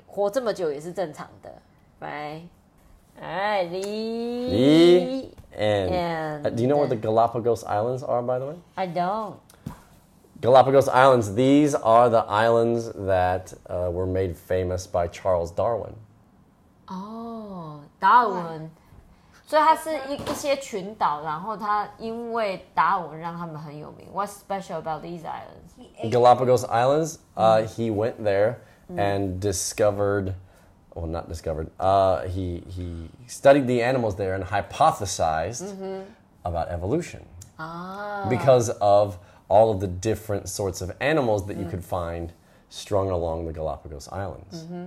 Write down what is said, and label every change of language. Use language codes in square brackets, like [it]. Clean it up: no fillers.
[zh] 活这么久也是正常的 ， [en] right？ [zh] 哎，李 [en] ，and do you know where the Galapagos Islands are? By the way, I don't. Galapagos Islands. These are the islands that were made famous by Charles Darwin. Oh, Darwin. [zh] 所以它是一些群岛，然后它因为达尔文让他们很有名。 [en] What's special about these islands? Galapagos Islands. He went there. And discovered, well, not discovered, he studied the animals there and hypothesized about evolution. Because of all of the different sorts of animals that you could find strung along the Galapagos Islands.